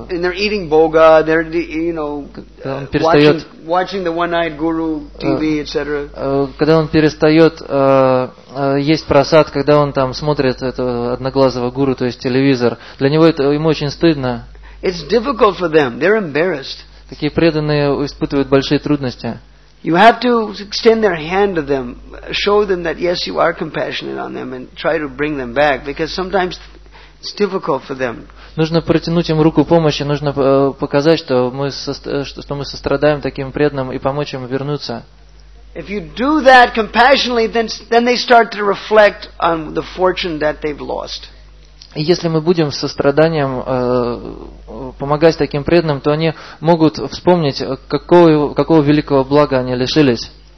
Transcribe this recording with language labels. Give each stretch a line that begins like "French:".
English: And they're eating boga, they're watching the one-eyed guru TV, etc.
Russian: Когда он перестает есть просад, когда он там смотрит этого одноглазого гуру, то есть телевизор, для него это ему очень стыдно.
English: It's difficult for them. They're embarrassed.
Russian: Такие преданные испытывают большие трудности.
English: You have to extend their hand to them, show them that yes, you are compassionate on them, and try to bring them back, because sometimes it's difficult for them.
Russian: Нужно протянуть им руку помощи, нужно показать, что мы сострадаем таким преданным и помочь им вернуться.
English: If you do that compassionately, then they start to reflect on the fortune that they've lost.
Russian: Если мы будем с состраданием помогать таким преданным, то они могут вспомнить, какого великого блага они лишились.